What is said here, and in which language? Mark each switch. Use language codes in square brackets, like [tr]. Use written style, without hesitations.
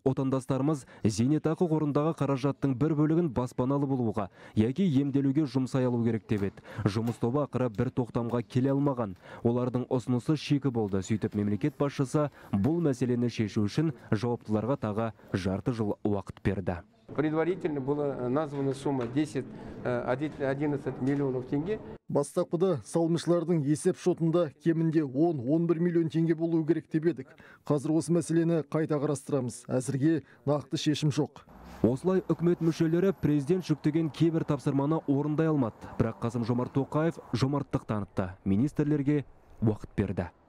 [kk] Отандастарымыз зейнетақы қорындағы қаражаттың бір бөлігін баспаналы болуға, яки емделуге жұмсай алу керек деп еді. Жұмыс тобы ақыры бір тоқтамға келе алмаған. Олардың ұсынысы шикі болды. Сөйтіп мемлекет басшысы бұл мәселені шешу үшін жауаптыларға тағы жарты жыл уақыт берді. [ru] Предварительно была названа сумма 10-11 миллионов тенге. [kk] Бастапқыда салымшылардың есеп шотында кемінде 10-11 миллион тенге болу керек деп едік. Қазір осы мәселені қайта қарастырамыз. Әзірге нақты шешім жоқ. Осылай үкімет мүшелері президент жүктеген кейбір тапсырманы орындай алмады. Бірақ Қасым Жомарт Тоқаев жомарттық танытты. Министрлерге уақыт берді.